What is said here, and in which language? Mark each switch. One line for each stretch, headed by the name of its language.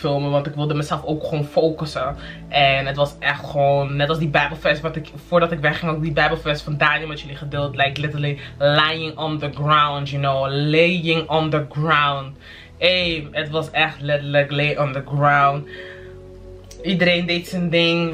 Dutch: Want ik wilde mezelf ook gewoon focussen. En het was echt gewoon, net als die Bijbelvers. Voordat ik wegging, had ik die Bijbelvers van Daniel met jullie gedeeld.
English: Like literally lying on the ground, you know. Laying on the ground.
Dutch: Hey, het was echt letterlijk
English: lay on the ground.
Dutch: Iedereen deed zijn ding.